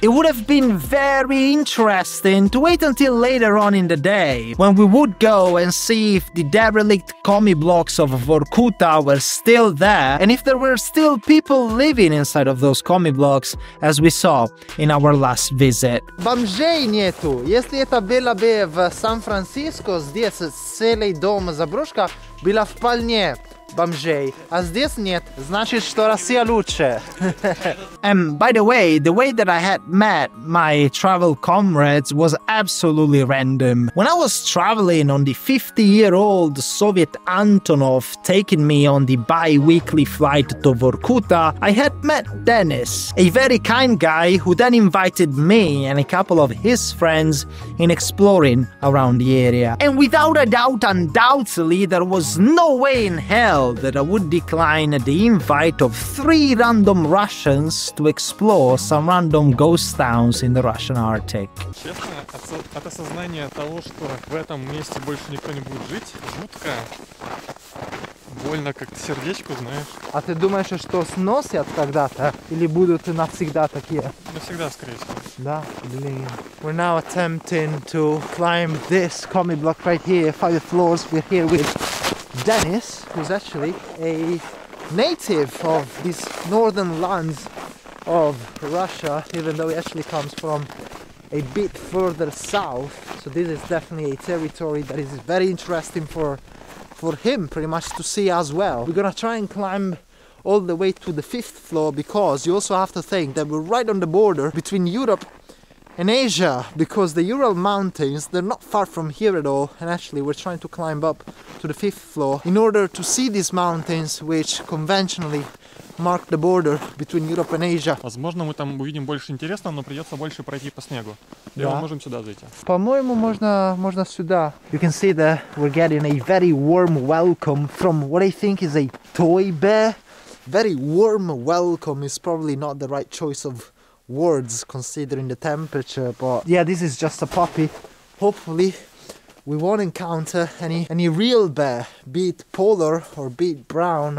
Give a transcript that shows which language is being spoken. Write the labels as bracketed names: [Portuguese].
[English] It would have been very interesting to wait until later on in the day, when we would go and see if the derelict commie blocks of Vorkuta were still there, and if there were still people living inside of those commie blocks, as we saw in our last visit. [Russian] Бомжей нету. Если это было бы в Сан-Франциско, здесь целый дом заброшка была вполне бомжей. А здесь нет, значит, что Россия лучше. [English] And by the way that I had met my travel comrades was absolutely random. When I was traveling on the 50-year-old Soviet Antonov taking me on the bi-weekly flight to Vorkuta, I had met Denis, a very kind guy who then invited me and a couple of his friends in exploring around the area. And without a doubt, undoubtedly, there was no way in hell that I would decline the invite of three random Russians to explore some random ghost towns in the Russian Arctic. [Russian] Честно, от осознания того, что в этом месте больше никто не будет жить, жутко, больно как-то сердечку, знаешь. А ты думаешь, что сносят когда-то или будут навсегда такие? Навсегда, скорее всего. Да, блин. [English] We're now attempting to climb this commie block right here, five floors. We're here with Dennis, who's actually a native of these northern lands of Russia, even though he actually comes from a bit further south. So this is definitely a territory that is very interesting for him pretty much to see as well. We're gonna try and climb all the way to the fifth floor, because you also have to think that we're right on the border between Europe and Asia, because the Ural Mountains, they're not far from here at all, and actually we're trying to climb up to the fifth floor in order to see these mountains which conventionally mark the border between Europe and Asia. [Russian] Возможно, мы там увидим больше интересного, но придется больше пройти по снегу. Или мы можем сюда зайти? По-моему, можно сюда. [English] You can see that we're getting a very warm welcome from what I think is a toy bear. Very warm welcome is probably not the right choice of words considering the temperature, but yeah, this is just a puppy. Hopefully we won't encounter any real bear, be it polar or be it brown.